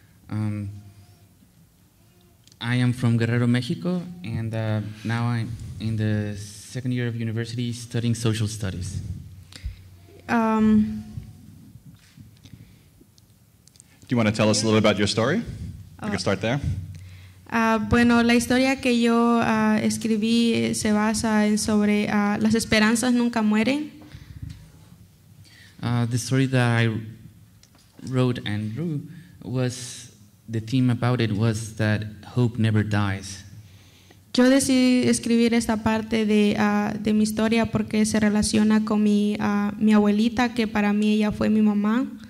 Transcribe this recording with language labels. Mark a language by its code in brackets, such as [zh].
[en] I am from Guerrero, Mexico, and now I'm in the second year of university studying social studies. Do you want to tell us a little about your story? We can start there. [es] Bueno, la historia que yo escribí se basa en sobre las esperanzas nunca mueren. [en] The story that I wrote and drew was the theme about it was that hope never dies. [es] Yo decidí escribir esta parte de mi historia porque se relaciona con mi abuelita, que para mí ella fue mi mamá.